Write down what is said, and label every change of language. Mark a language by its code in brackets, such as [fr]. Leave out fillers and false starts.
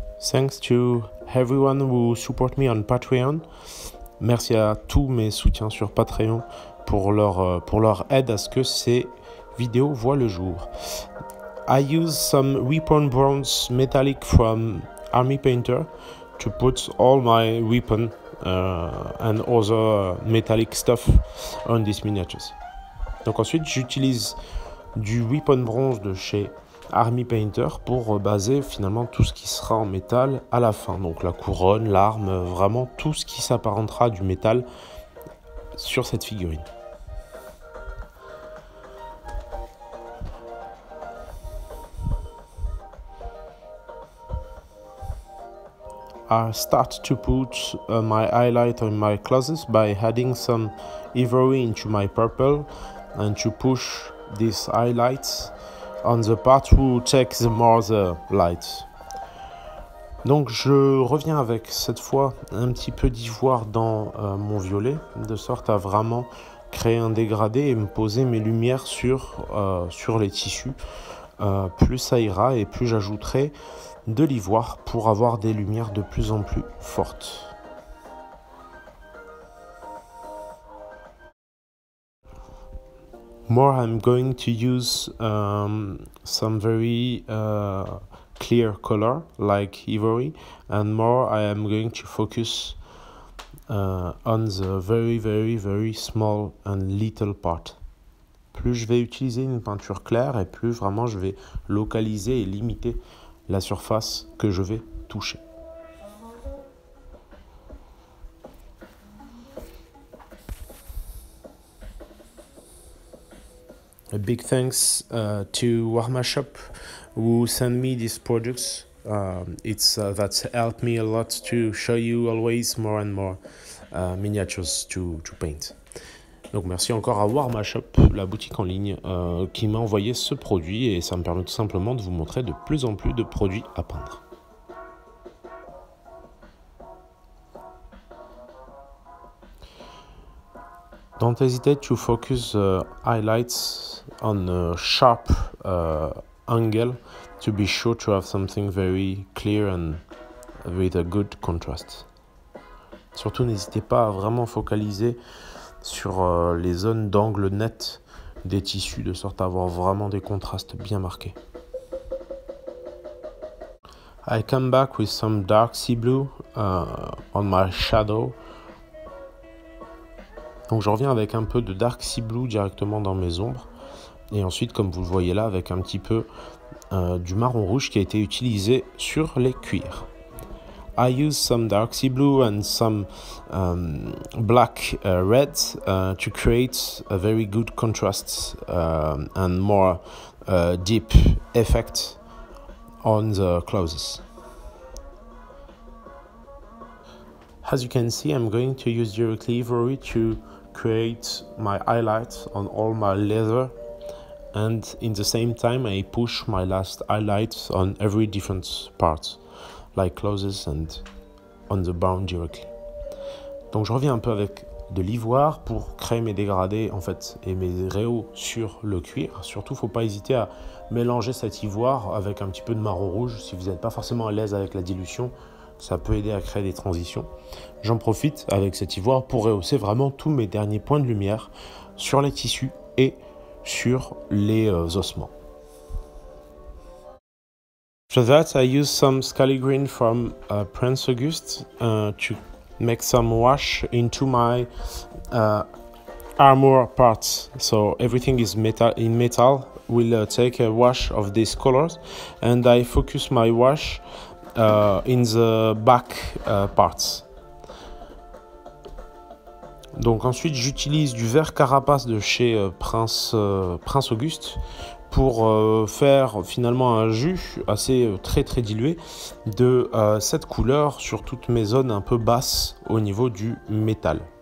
[en] Thanks to everyone who support me on Patreon. [fr] Merci à tous mes soutiens sur Patreon pour leur aide à ce que ces vidéos voient le jour. [en] I use some weapon bronze metallic from Army Painter to put all my weapon and other metallic stuff on these miniatures. [fr] Donc ensuite, j'utilise du weapon bronze de chez Army Painter pour baser finalement tout ce qui sera en métal à la fin. Donc la couronne, l'arme, vraiment tout ce qui s'apparentera du métal sur cette figurine. [en] I start to put my highlight on my closet by adding some ivory into my purple and to push these highlights on the part who takes more the light. [fr] Donc je reviens avec cette fois un petit peu d'ivoire dans mon violet de sorte à vraiment créer un dégradé et me poser mes lumières sur les tissus. Plus ça ira et plus j'ajouterai de l'ivoire pour avoir des lumières de plus en plus fortes. [en] More, I'm going to use some very clear color like ivory, and more I am going to focus on the very very very small and little part. [fr] Plus je vais utiliser une peinture claire et plus vraiment je vais localiser et limiter la surface que je vais toucher. [en] A big thanks to Warmashop who send me these products. That's helped me a lot to show you always more and more miniatures to paint. [fr] Donc merci encore à Warmashop, la boutique en ligne, qui m'a envoyé ce produit et ça me permet tout simplement de vous montrer de plus en plus de produits à peindre. [en] Don't hesitate to focus highlights on a sharp angle to be sure to have something very clear and with a good contrast. [fr] Surtout n'hésitez pas à vraiment focaliser sur les zones d'angle net des tissus de sorte à avoir vraiment des contrastes bien marqués. [en] I come back with some dark sea blue on my shadow. [fr] Donc je reviens avec un peu de dark sea blue directement dans mes ombres et ensuite comme vous le voyez là avec un petit peu du marron rouge qui a été utilisé sur les cuirs. [en] I use some dark sea blue and some black red to create a very good contrast and more deep effect on the clothes. As you can see, I'm going to use directly ivory to create my highlights on all my leather, and in the same time I push my last highlights on every different part, like closes and on the bone directly. [fr] Donc je reviens un peu avec de l'ivoire pour créer mes dégradés en fait et mes rayons sur le cuir. Surtout faut pas hésiter à mélanger cet ivoire avec un petit peu de marron rouge si vous n'êtes pas forcément à l'aise avec la dilution, ça peut aider à créer des transitions. J'en profite avec cet ivoire pour rehausser vraiment tous mes derniers points de lumière sur les tissus et sur les ossements. [en] For that, I use some scaly green from Prince Auguste to make some wash into my armor parts. So everything is metal. In metal, will take a wash of these colors, and I focus my wash in the back parts. [fr] Donc ensuite, j'utilise du vert carapace de chez Prince Auguste pour faire finalement un jus assez très très dilué de cette couleur sur toutes mes zones un peu basses au niveau du métal.